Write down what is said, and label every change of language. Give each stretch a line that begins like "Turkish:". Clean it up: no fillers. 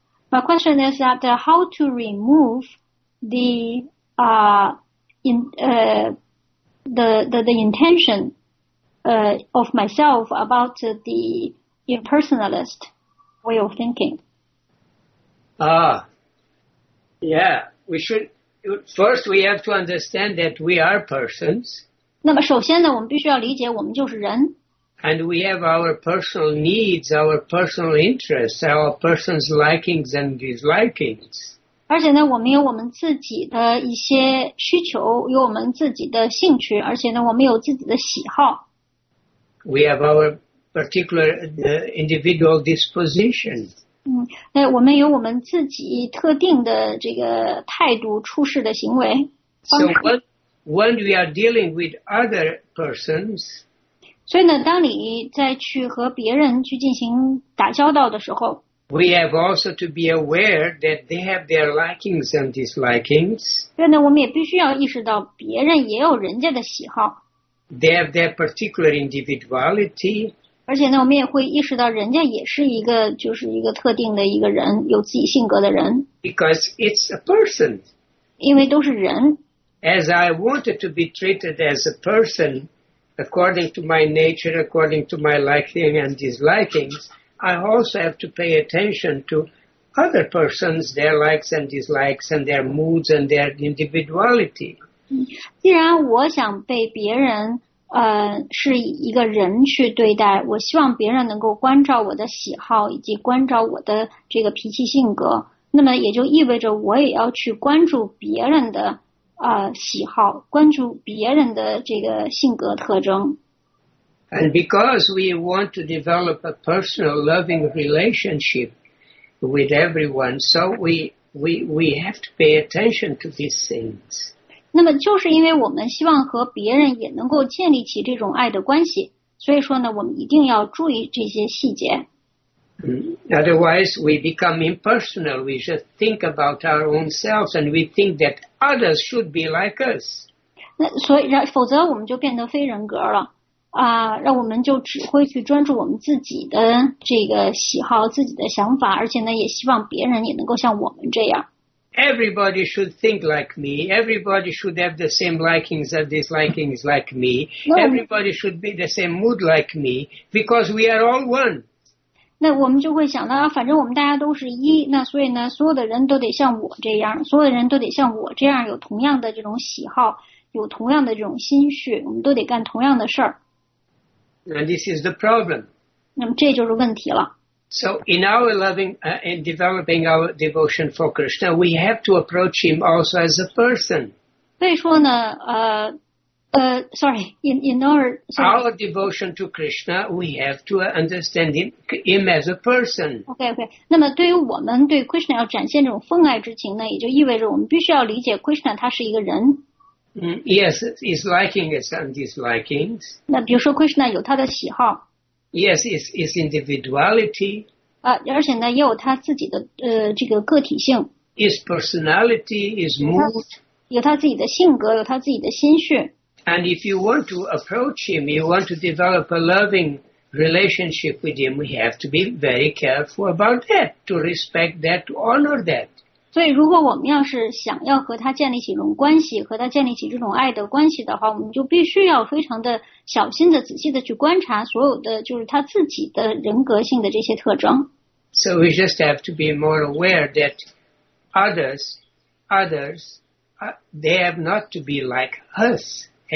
English: My question is that how to remove the intention of myself about the impersonalist way of thinking. First we have to understand that we are persons.
Chinese: 那么首先呢，我们必须要理解我们就是人。
English: And we have our personal needs, our personal interests, our person's likings and dislikings.
Chinese: 而且呢，我们有我们自己的一些需求，有我们自己的兴趣，而且呢，我们有自己的喜好。
English: We have our particular individual disposition.
Chinese: 嗯，那我们有我们自己特定的这个态度、处事的行为方式。
English: So when we are dealing with other persons,
Chinese: 所以呢，当你再去和别人去进行打交道的时候，
English: we have also to be aware that they have their likings and dislikings.
Chinese: 所以呢，我们也必须要意识到别人也有人家的喜好。
English: They have their particular individuality.
Chinese: 而且呢，我们也会意识到人家也是一个，就是一个特定的一个人，有自己性格的人。
English: Because it's a person.
Chinese: 因为都是人。
English: As I wanted to be treated as a person, according to my nature, according to my liking and dislikings, I also have to pay attention to other persons, their likes and dislikes, and their moods and their individuality.
Chinese: 既然我想被别人是一个人去对待，我希望别人能够关照我的喜好以及关照我的这个脾气性格，那么也就意味着我也要去关注别人的喜好，关注别人的这个性格特征。
English: And because we want to develop a personal loving relationship with everyone, so we have to pay attention to these things.
Chinese: 那么就是因为我们希望和别人也能够建立起这种爱的关系，所以说呢，我们一定要注意这些细节。
English: Otherwise, we become impersonal. We just think about our own selves, and we think that others should be like us.
Chinese: 那所以，否则我们就变得非人格了。让我们就只会去专注我们自己的这个喜好、自己的想法，而且呢，也希望别人也能够像我们这样。
English: Everybody should think like me. Everybody should have the same likings and dislikings like me. Everybody should be the same mood like me, because we are all one.
Chinese: 那我们就会想到，反正我们大家都是一，那所以呢，所有的人都得像我这样，所有的人都得像我这样，有同样的这种喜好，有同样的这种心绪，我们都得干同样的事儿。
English: And this is the problem.
Chinese: 那么这就是问题了。
English: So in our loving, in developing our devotion for Krishna, we have to approach him also as a person.
Chinese: 所以说呢，
English: our devotion to Krishna, we have to understand him as a person.
Chinese: Okay. 那么对于我们对 Krishna 要展现这种奉爱之情呢，也就意味着我们必须要理解 Krishna 他是一个人。
English: Yes, his likings and dislikings.
Chinese: 那比如说 Krishna 有他的喜好。
English: Yes, his individuality.
Chinese: 而且呢，也有他自己的这个个体性。
English: His personality, his mood.
Chinese: 有他自己的性格，有他自己的心绪。
English: And if you want to approach him, you want to develop a loving relationship with him, we have to be very careful about that, to respect that, to honor that.
Chinese: 所以如果我们要是想要和他建立起这种关系，和他建立起这种爱的关系的话，我们就必须要非常的小心的、仔细的去观察所有的就是他自己的人格性的这些特征。
English: So we just have to be more aware that others, they have not to be like us.